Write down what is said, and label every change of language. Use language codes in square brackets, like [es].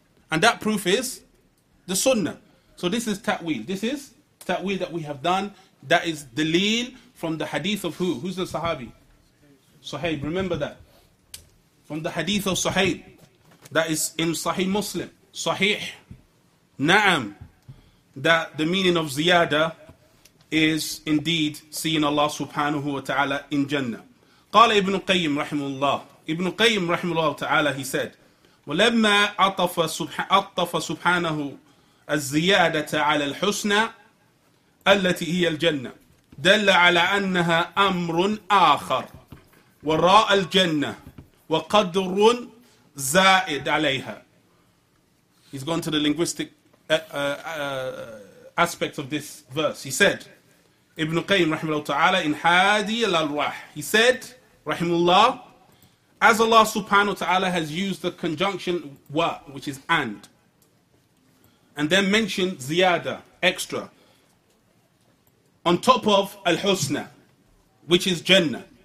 [en] And that proof is the sunnah. So this is ta'wil, this is ta'wil that we have done, that is dalil from the hadith of who? Who's the sahabi? Suhaib, remember that. From the hadith of Suhaib, that is in Sahih Muslim, Sahih, Na'am, that the meaning of ziyada is indeed seeing Allah subhanahu wa ta'ala in Jannah. Qala Ibn Qayyim rahimullah. [ar] Ibn Qayyim rahimullah ta'ala, [en] he said, [ar] وَلَمَّا أَطَّفَ سُبْحَانَهُ الزِّيَادَةَ عَلَى الْحُسْنَى أَلَّتِي هِيَ الْجَنَّةِ دل على أنها أمر آخر وراء الجنة وقدر زائد عليها. [en] He's gone to the linguistic aspect of this verse. He said, Ibn Qayyim rahimahullah ta'ala in Hadi al-Arwah, he said, rahimullah, as Allah subhanahu wa ta'ala has used the conjunction wa, which is and then mentioned ziyada, extra, on top of Al-Husna, which is Jannah.